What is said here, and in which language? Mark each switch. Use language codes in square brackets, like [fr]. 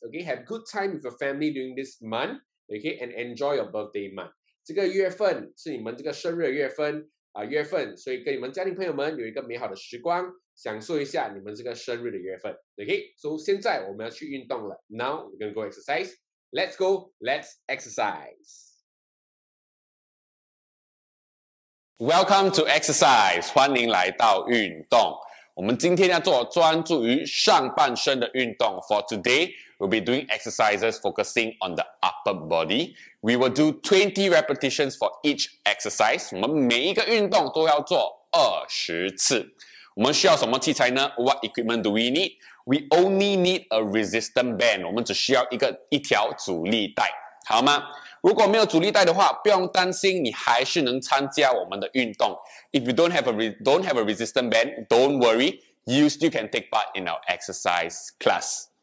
[en] Okay, have good time with your family during this month. Okay, and enjoy your birthday month. [zh] 这个月份是你们这个生日的月份啊、月份，所以跟你们家庭朋友们有一个美好的时光。享受一下你们这个生日的月份 ， Okay? So 现在我们要去运动了。 [en] Now we're gonna go exercise. Let's go. Let's exercise. Welcome to exercise. 欢迎来到运动。 [zh] 我们今天要做专注于上半身的运动。 [en] For today, we'll be doing exercises focusing on the upper body. We will do 20 repetitions for each exercise. [zh] 我们每一个运动都要做20次。 [en] 我们需要什么器材呢 ？ What equipment do we need? We only need a resistance band. [zh] 我们只需要一条阻力带，好吗？如果没有阻力带的话，不用担心，你还是能参加我们的运动。 [en] If you don't have a resistance band, don't worry. You still can take part in our exercise class.